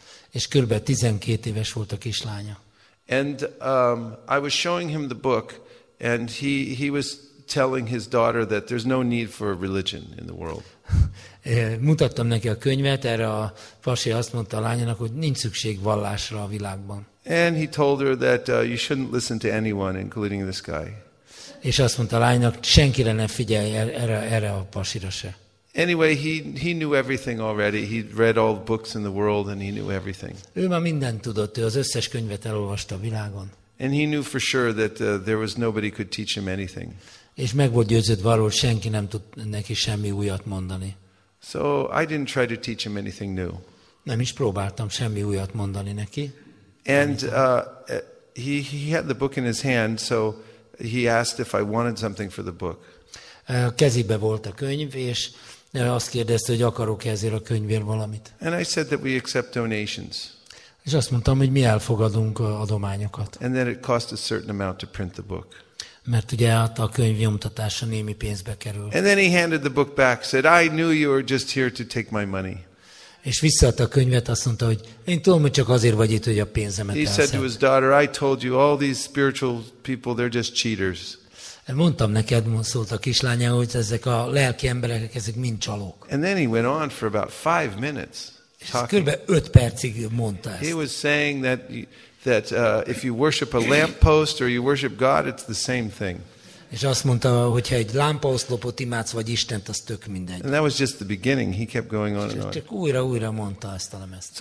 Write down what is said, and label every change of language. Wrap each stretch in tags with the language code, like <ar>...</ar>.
<hu>És körülbelül 12 éves volt a kislánya.</hu> <en>And I was showing him the book, and he was telling his daughter that there's no need for a religion in the world.</en> <hu>Mutattam neki a könyvet, erre a pasi azt mondta a lányának, hogy nincs szükség vallásra a világban.</hu> <en>And he told her that you shouldn't listen to anyone, including this guy.</en> <hu>És azt mondta a lánynak, senkire ne figyelj, erre a pasira se.</hu> <en>Anyway, he knew everything already. He read all the books in the world and he knew everything.</en> <hu>Ő már mindent tudott, ő az összes könyvet elolvasta a világon.</hu> <en>And he knew for sure that there was nobody could teach him anything.</en> <hu>És meg volt győződve arról, senki nem tud neki semmi újat mondani.</hu> <en>So I didn't try to teach him anything new.</en> <hu>Nem is próbáltam semmi újat mondani neki.</hu> <en>And he had the book in his hand, so he asked if I wanted something for the book.</en> <hu>Kezébe volt a könyv, és azt kérdezte, hogy akarok-e ezért a könyvért valamit.</hu> <en>And I said that we accept donations.</en> <hu>És azt mondtam, hogy mi elfogadunk adományokat.</hu> <en>And then it cost a certain amount to print the book.</en> <hu>Mert ugye a könyv nyomtatása némi pénzbe kerül.</hu> <en>And then he handed the book back, said, I knew you were just here to take my money.</en> <hu>És visszaadta a könyvet, azt mondta, hogy én tudom, hogy csak azért vagy itt, hogy a pénzemet elszed.</hu> <en>He said to his daughter, I told you, all these spiritual people, they're just cheaters.</en> <hu>Mondtam neked, szólt a kislánya, hogy ezek a lelki emberek, ezek mind csalók.</hu> <en>And then he went on for about 5 minutes.</en> <hu>Körülbelül 5 percig mondta ezt.</hu> <en>He was saying that if you worship a lamppost or you worship God, it's the same thing.</en> <hu>És azt mondta, hogyha egy lámpaoszlopot imádsz, vagy Istent, az tök mindegy.</hu> <en>And that was just the beginning. He kept going on and on.</en> <hu>Csak újra mondta ezt a lemezt.</hu>